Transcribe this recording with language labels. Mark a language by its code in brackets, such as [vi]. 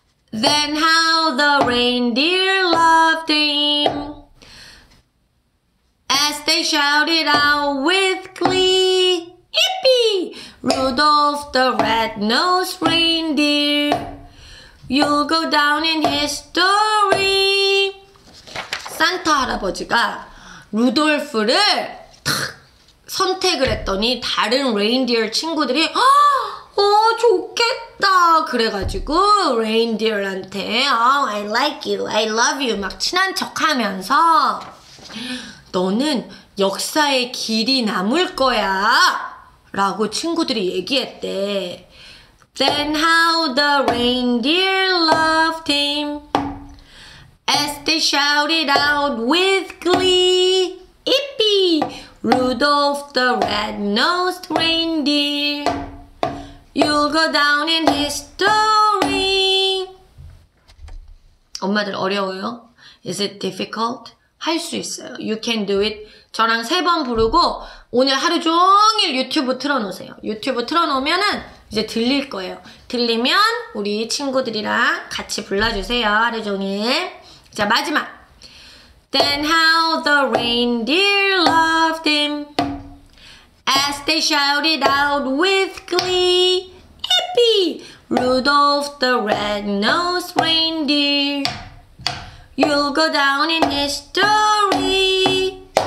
[en] Then how the reindeer loved him, as they shouted out with glee, Yippee! Rudolph the red-nosed reindeer, you'll go down in history. [ko] 산타 할아버지가 루돌프를 탁 선택을 했더니 다른 reindeer 친구들이 좋겠다 그래가지고 reindeer한테 [en] I like you, I love you [ko] 막 친한 척하면서 너는 역사의 길이 남을 거야 라고 친구들이 얘기했대. [en] Then how the reindeer loved him, As they shouted out with glee, Yippee! Rudolph the red-nosed reindeer, you'll go down in history. [ko] 엄마들 어려워요? [en] Is it difficult? [ko] 할 수 있어요. [en] You can do it. [ko] 저랑 세 번 부르고 오늘 하루 종일 유튜브 틀어놓으세요. 유튜브 틀어놓으면은 이제 들릴 거예요. 들리면 우리 친구들이랑 같이 불러주세요. 하루 종일. 자, 마지막. [en] Then how the reindeer loved him as they shouted out with glee. Yippee! Rudolph the red-nosed reindeer, you'll go down in history.